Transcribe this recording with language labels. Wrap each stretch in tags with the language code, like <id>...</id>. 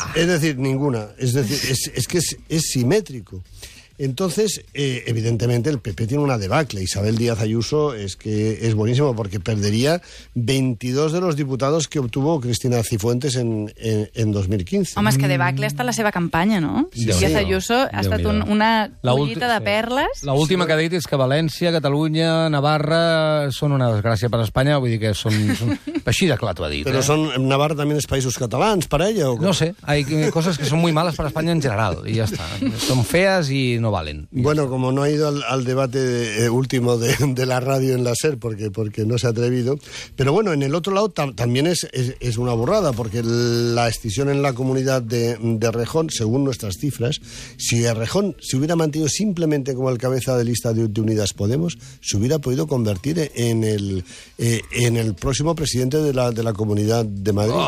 <es>Es decir, ninguna. Es decir, es que es simétrico. Entonces, evidentemente, el PP tiene una debacle. Isabel Díaz Ayuso es que es buenísimo, porque perdería 22 de los diputados que obtuvo Cristina Cifuentes en 2015.</es> <ca>Home, és que debacle està la seva campanya, no? Sí, Díaz Ayuso ha estat una collita de perles. La última que ha dit és que València, Catalunya, Navarra són una desgràcia per a Espanya. Vull dir que són així de clar, t'ho ha dit. Però són, Navarra també és països catalans, per ella? O no sé, hi ha coses que són molt males per a Espanya en general, i ja està. Són fees i no valen.</ca> <es>Bueno, como no ha ido al debate último de la radio en la SER, porque no se ha atrevido, pero bueno, en el otro lado también es una burrada, porque la escisión en la comunidad de Errejón, según nuestras cifras, si Errejón se hubiera mantenido simplemente como el cabeza de lista de Unidas Podemos, se hubiera podido convertir en el próximo presidente de la Comunidad de Madrid.</es>